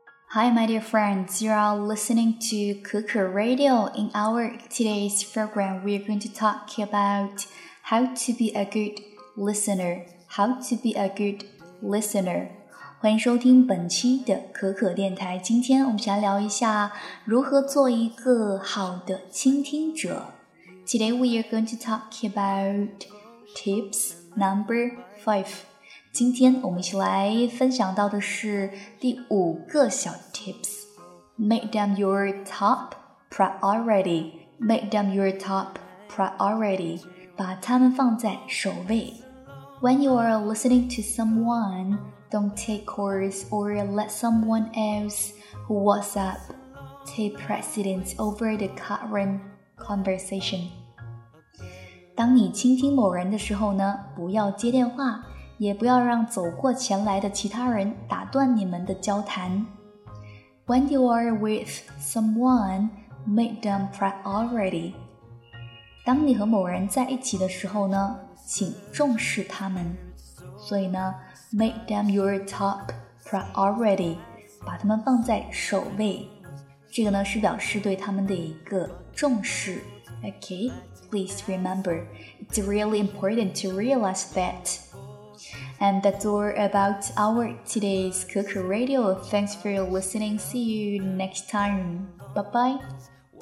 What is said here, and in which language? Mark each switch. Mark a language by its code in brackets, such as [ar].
[en] Hi, my dear friends, you are listening to Cuckoo Radio. In our today's program, we are going to talk about how to be a good listener. How to be a good listener. [zh] 欢迎收听本期的可可电台。今天我们想聊一下如何做一个好的倾听者。 [en] Today we are going to talk about tips number 5. [zh] 今天我们一起来分享到的是第五个小 tips. [en] Make them your top priority. Make them your top priority. [zh] 把他们放在首位。 [en] When you are listening to someone, don't take calls or let someone else who WhatsApp take precedence over the current conversation. [zh] 当你倾听某人的时候呢，不要接电话。也不要让走过前来的其他人打断你们的交谈。 [en] When you are with someone, make them priority. [zh] 当你和某人在一起的时候呢，请重视他们。所以呢 ， [en] make them your top priority， [zh] 把他们放在首位。这个呢是表示对他们的一个重视。 [en] Okay, please remember, it's really important to realize that. And that's all about our today's Cuckoo Radio. Thanks for listening. See you next time. Bye-bye.